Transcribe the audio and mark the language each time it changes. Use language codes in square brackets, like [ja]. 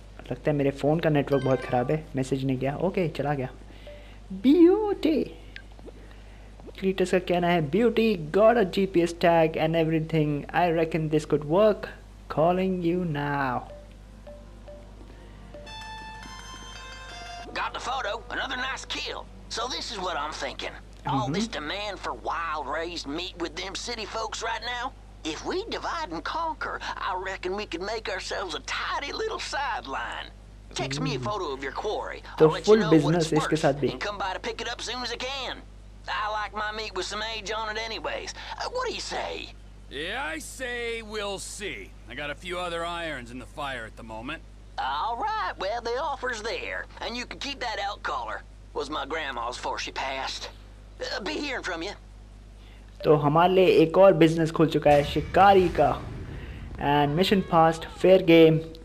[hi] लगता है मेरे फ़ोन का नेटवर्क बहुत ख़राब है, मैसेज नहीं गया. ओके चला गया. ब्यूटी. क्लीटस का कहना है [en] Beauty got a GPS tag and everything, I reckon this could work, calling you now. Got the photo, another nice kill. So this is what I'm thinking. All this demand for wild raised meat with them city folks right now? If we divide and conquer, I reckon we could make ourselves a tidy little sideline. Text me a photo of your quarry. The full business is [hi] iske saath bhi. [en] And come by to pick it up soon as I can. I like my meat with some age on it anyways. What do you say? Yeah, I say we'll see. I got a few other irons in the fire at the moment. All right, well, the offer's there. And you can keep that elk collar. Was my grandma's before she passed. Be hearing from you. [hi] तो हमारे लिए एक और business खुल चुका है शिकारी का. [en] End mission passed, fair game.